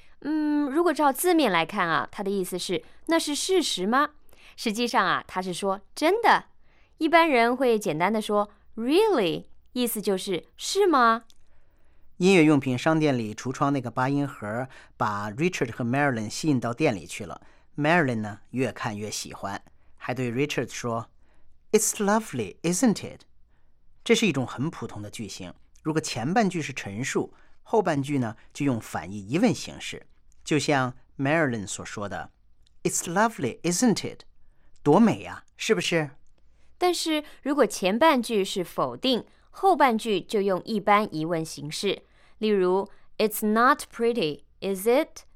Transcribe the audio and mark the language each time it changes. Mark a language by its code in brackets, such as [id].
[zh] 如果照字面来看啊，他的意思是那是事实吗？实际上啊，他是说真的。一般人会简单的说 Really， 意思就是是吗？音乐用品商店里橱窗那个八音盒把 Richard 和 Marilyn 吸引到店里去了。 Marilyn 呢越看越喜欢，还对 Richard 说 [en] It's lovely, isn't it? [zh] 这是一种很普通的句型，如果前半句是陈述，后半句呢就用反义疑问形式，就像 Marilyn 所说的 [en] It's lovely, isn't it? [zh] 多美呀，是不是？但是如果前半句是否定，后半句就用一般疑问形式，例如 [en] It's not pretty, is it?